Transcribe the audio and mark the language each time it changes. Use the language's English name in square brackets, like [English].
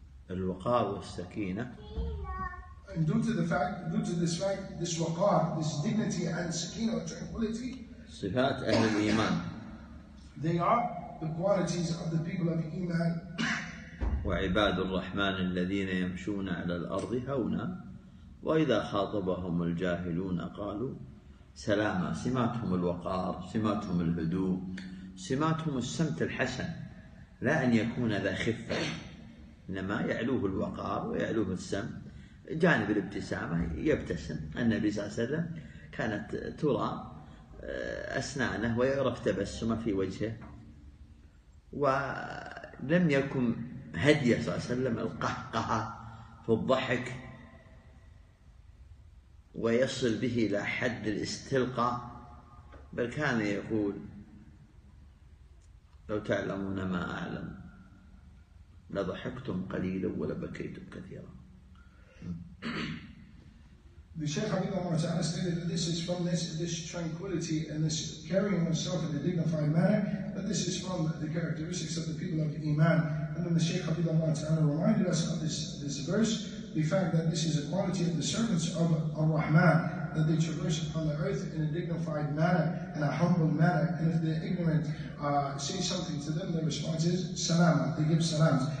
[Arabic] الوقار والسكينة. [English] And due to this fact, this waqar, this dignity and sakina or tranquility, [Arabic] صفات أهل الإيمان. [English] They are the qualities of the people of Iman. [Arabic] وعباد الرحمن الذين يمشون على الأرض هونا وإذا خاطبهم الجاهلون قالوا سلاما. سماتهم الوقار, سماتهم الهدوء, سماتهم السمت الحسن, لا أن يكون ذا خفة, إنما يعلوه الوقار ويعلوه السم, جانب الابتسامة يبتسم. النبي صلى الله عليه وسلم كانت ترى أسنانه ويعرف تبسمه في وجهه, ولم يكن هدية صلى الله عليه وسلم القهقهة في الضحك ويصل به إلى حد الاستلقاء, بل كان يقول لو تعلمون ما أعلم لضحكتم قليلا ولبكيتم كثيرا. [English] The Shaykh Habib Omar Ta'ala stated that this is from this tranquility and this carrying oneself in a dignified manner, that this is from the characteristics of the people of Iman. And then the Shaykh Habib Omar Ta'ala reminded us of this verse, the fact that this is a quality of the servants of Ar-Rahman, that they traverse upon the earth in a dignified manner, in a humble manner, and if they're ignorant, say something to them, their response is salama, they give salams.